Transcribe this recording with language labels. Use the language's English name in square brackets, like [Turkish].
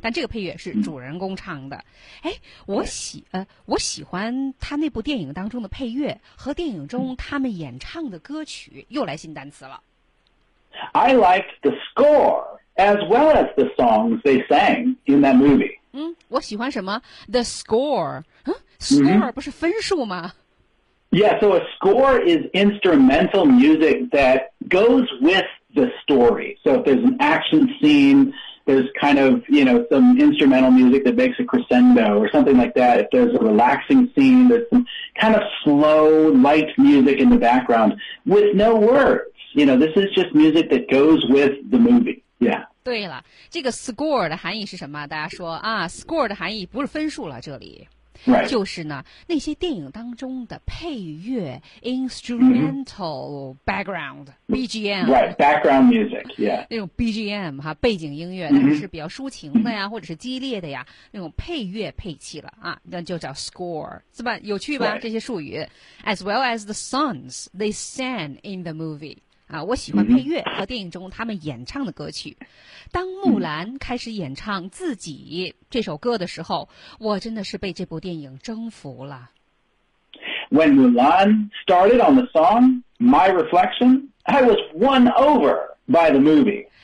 [Chinese] 但这个配乐是主人公唱的。哎、mm. ，我喜欢他那部电影当中的配乐和电影中他们演唱的歌曲。 Mm. 又来新单词了。 [English] I liked the score as well as the songs they sang in that movie. [Chinese] 嗯，我喜欢什么 ？The score. 嗯 ，score、 mm-hmm. 不是分数吗 [English] ？Yeah, so a score is instrumental music that goes with the story. So if there's an action scene, there's kind of, you know, some instrumental music that makes a crescendo or something like that. If there's a relaxing scene, there's some kind of slow, light music in the background with no words. You know, this is just music that goes with the movie. Yeah. [Chinese] 对了，这个 score 的含义是什么？大家说啊 ，score 的含义不是分数了，这里、 [English] right. [Chinese] 就是呢那些电影当中的配乐 instrumental、mm-hmm. [English] background BGM. Right, background music. Yeah. [Chinese] 那种 BGM 哈，背景音乐，但是比较抒情的呀， mm-hmm. 或者是激烈的呀，那种配乐配器了啊，那就叫 score. 是吧？有趣吧？ [English] Right. [Chinese] 这些术语 [English] ，as well as the songs they sang in the movie. [Chinese] 啊，我喜欢配乐和电影中他们演唱的歌曲。当木兰开始演唱自己这首歌的时候，我真的是被这部电影征服了。 [English] When Mulan started on the song "My Reflection," I was won over by the movie.